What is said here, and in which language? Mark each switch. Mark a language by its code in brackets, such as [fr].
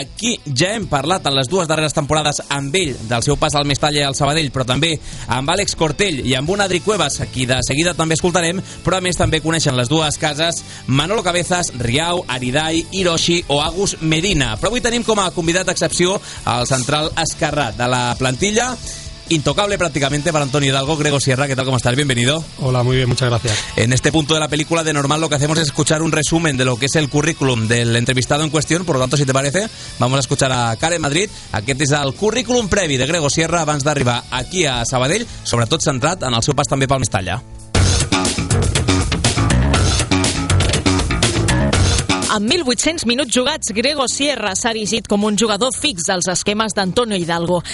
[ca] aquí ja hem parlat en les dues darreres temporades amb ell, del seu pas al Mestalla i al Sabadell, però també amb Àlex Cortell i amb un Adri Cuevas, aquí de seguida també escoltarem, però a més també coneixen les dues cases Manolo Cabezas, Riau, Aridai, Hiroshi o Agus Medina. Però avui tenim com a convidat d'excepció el central esquerrà de la plantilla, [es] intocable prácticamente para Antonio Hidalgo. Grego Sierra, ¿qué tal? ¿Cómo estás? Bienvenido. Hola, muy bien, muchas gracias. En este punto de la película, de normal, lo que hacemos es escuchar un resumen de lo que es el currículum del entrevistado en cuestión. Por lo tanto, si te parece, vamos a escuchar a Karen Madrid. [ca] Aquest és el currículum previ de Grego Sierra abans d'arribar aquí a Sabadell, sobretot centrat en el seu pas també pel Mestalla. Amb 1.800 minuts jugats, Grego Sierra s'ha erigit com un jugador fix als esquemes d'Antonio Hidalgo.